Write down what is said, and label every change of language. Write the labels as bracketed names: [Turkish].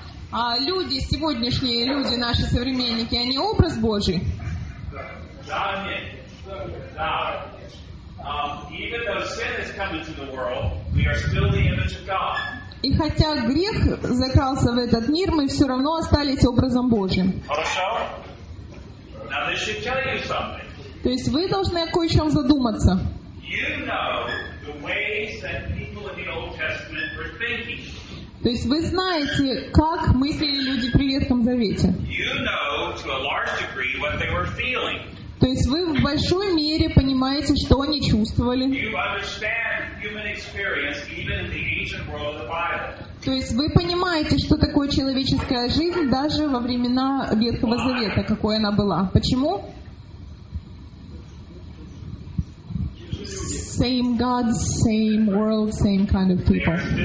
[Russian] А люди, сегодняшние люди, наши современники, они образ Божий? Да, нет. Да. [English] Even though sin has come into the world, we are still the image of God. [Russian] И хотя грех закрался в этот мир, мы все равно остались образом Божьим. Хорошо? [English] Now this should tell you something. [Russian] То есть вы должны о кое-чем задуматься. [English] You know the ways that people in the Old Testament were thinking. [Russian] То есть вы знаете, как мыслили люди при Ветхом Завете. [English] You know to a large degree what they were feeling. [Russian] То есть вы в большой мере понимаете, что они чувствовали. [English] You understand human experience even in the ancient world of the Bible. [Russian] То есть вы понимаете, что такое человеческая жизнь даже во времена Ветхого Завета, какой она была. Почему? [English] Same God, same world, same kind of people.